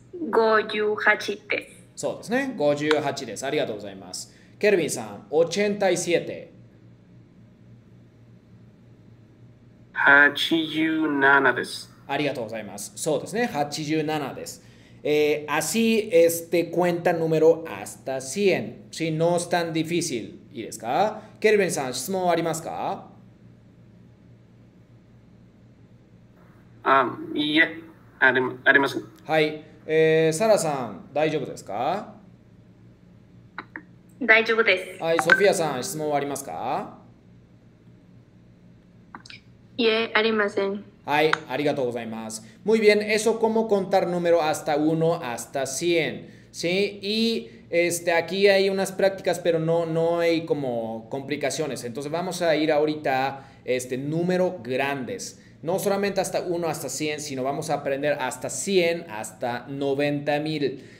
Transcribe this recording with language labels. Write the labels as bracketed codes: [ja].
[ja] 58です。そうですね。 58です。ありがとうございます。ケルビンさん、87。 87です。ありがとうございます。そうですね。87です。 [es] así este cuenta número hasta 100. Si no es tan difícil, [ja] いいですか？ケルビンさん、質問ありますか？いいえ、ありません。はい。サラさん、大丈夫ですか？大丈夫です。はい、ソフィアさん、質問はありますか？いえ、ありません。はい、ありがとうございます。 [es] Muy bien, eso como contar número hasta 1 hasta 100. Sí, y aquí hay unas prácticas, pero no hay como complicaciones. Entonces vamos a ir ahorita número grandes. No solamente hasta 1 hasta 100, sino vamos a aprender hasta 100, hasta 90,000.